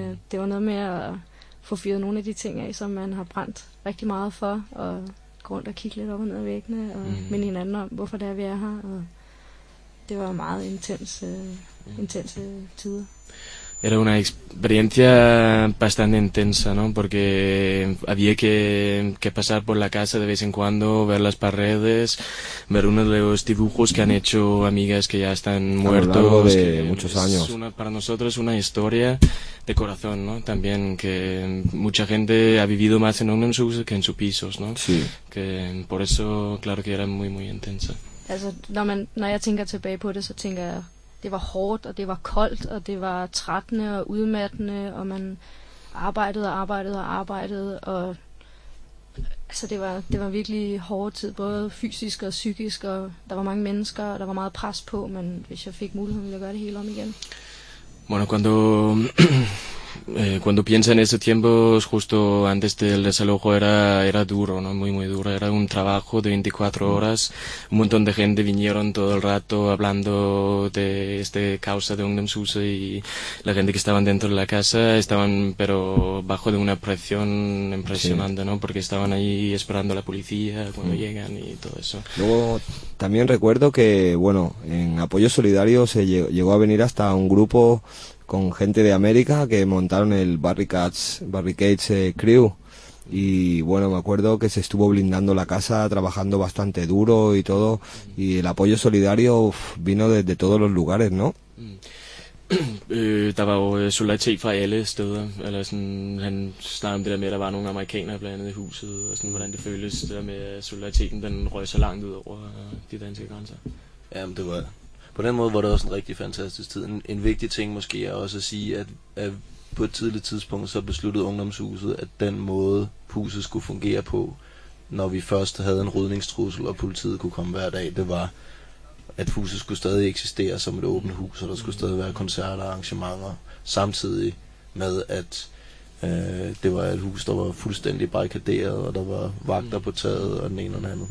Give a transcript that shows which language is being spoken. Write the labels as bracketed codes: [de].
[da] Det var noget med at få fyret nogle af de ting af, som man har brændt rigtig meget for, og rundt og kigge lidt op og ned ad væggene og minde hinanden om, hvorfor det er, vi er her. Og det var meget intense tider. [es] Era una experiencia bastante intensa, ¿no? Porque había que pasar por la casa de vez en cuando, ver las paredes, ver uno de los dibujos que han hecho amigas que ya están muertos. A lo largo de muchos años. Para nosotros es una historia de corazón, ¿no? También que mucha gente ha vivido más en un sus que en sus pisos, ¿no? Sí. Que por eso, claro que era muy, muy intensa. [da] Altså, når jeg tænker tilbage på det, så tænker jeg, det var hårdt, og det var koldt, og det var trættende og udmattende, og man arbejdede, og altså det var virkelig hårde tid, både fysisk og psykisk, og der var mange mennesker, og der var meget pres på, men hvis jeg fik muligheden, ville jeg gøre det hele om igen. [es] Bueno, cuando cuando piensa en ese tiempo, justo antes del desalojo, era duro, ¿no? Muy, muy duro. Era un trabajo de 24 horas. Un montón de gente vinieron todo el rato hablando de esta causa de Ungdomshuset y la gente que estaban dentro de la casa estaban, pero bajo de una presión impresionante, ¿no? Porque estaban ahí esperando a la policía cuando llegan y todo eso. Luego, también recuerdo que, bueno, en Apoyo Solidario se llegó a venir hasta un grupo con gente de América que montaron el Barricades Crew, y bueno, me acuerdo que se estuvo blindando la casa, trabajando bastante duro y todo, y el apoyo solidario vino desde todos los lugares, ¿no? [da] Der var jo solidaritet fra alle steder, eller sådan, han snakkede om det der med, at der var nogle amerikanere blandt andet i huset, og sådan, hvordan det føles, det der med solidariteten, den røg så langt ud over de danske grænser. Jamen, det var på den måde var det også en rigtig fantastisk tid. En vigtig ting måske er også at sige, at på et tidligt tidspunkt så besluttede Ungdomshuset, at den måde huset skulle fungere på, når vi først havde en rydningstrussel, og politiet kunne komme hver dag, det var, at huset skulle stadig eksistere som et åbent hus, og der skulle stadig være koncerter og arrangementer, samtidig med, at det var et hus, der var fuldstændig barrikaderet, og der var vagter på taget og den ene og den anden.